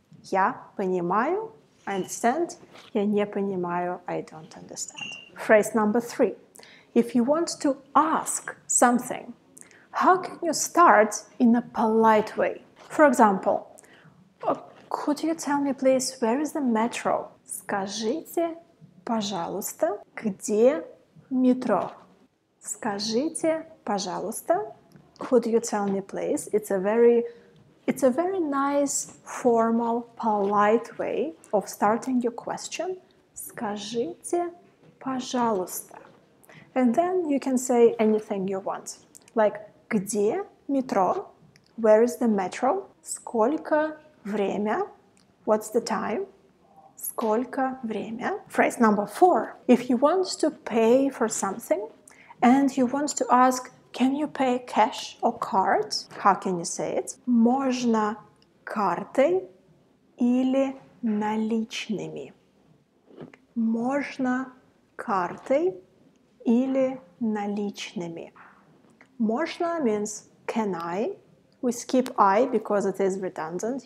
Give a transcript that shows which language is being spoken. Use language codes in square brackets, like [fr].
[ru] Я понимаю, [en] I understand. [ru] Я не понимаю, [en] I don't understand. Phrase number three. If you want to ask something, how can you start in a polite way? For example, could you tell me please, where is the metro? [ru] Скажите, пожалуйста, где метро? Скажите, пожалуйста, [en] could you tell me please? It's a very nice, formal, polite way of starting your question. [ru] Скажите, пожалуйста. [en] And then you can say anything you want. Like, [ru] где метро? [en] Where is the metro? [ru] Сколько время? [en] What's the time? [ru] Сколько время? [en] Phrase number four. If you want to pay for something and you want to ask, can you pay cash or card? How can you say it? [ru] Можно картой или наличными? Можно картой или наличными? [en] Можно means can I? We skip I because it is redundant.